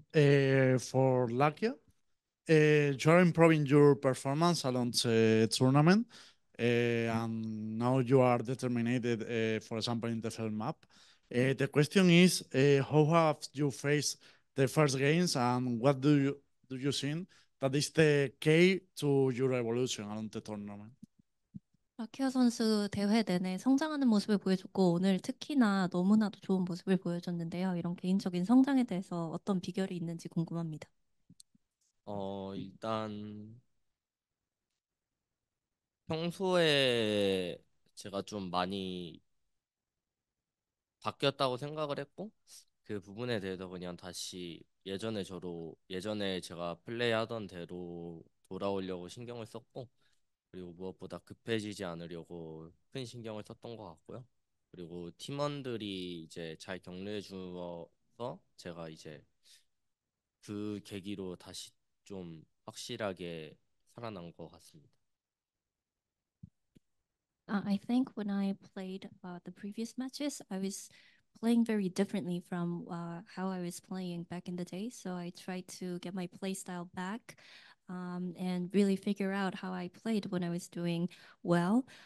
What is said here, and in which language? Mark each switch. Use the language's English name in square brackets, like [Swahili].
[English] For Lakia, you are improving your performance along the tournament, and now you are determined, for example, in the third map. The question is, how have you faced the first games, and what do you think that is the key to your evolution along the tournament? [Korean] 라키아 선수 대회 내내 성장하는 모습을 보여줬고 오늘 특히나 너무나도 좋은 모습을 보여줬는데요. 이런 개인적인 성장에 대해서 어떤 비결이 있는지 궁금합니다. 일단 평소에 제가 좀 많이 바뀌었다고 생각을 했고, 그 부분에 대해서 그냥 다시 예전에 제가 플레이하던 대로 돌아오려고 신경을 썼고, 그리고 무엇보다 급해지지 않으려고 큰 신경을 썼던 것 같고요. 그리고 팀원들이 이제 잘 격려해 주어서 제가 이제 그 계기로 다시 좀 확실하게 살아난 것 같습니다. [English] I think when I played the previous matches, I was playing very differently from how I was playing back in the day. So I tried to get my play style back and really figure out how I played when I was doing well.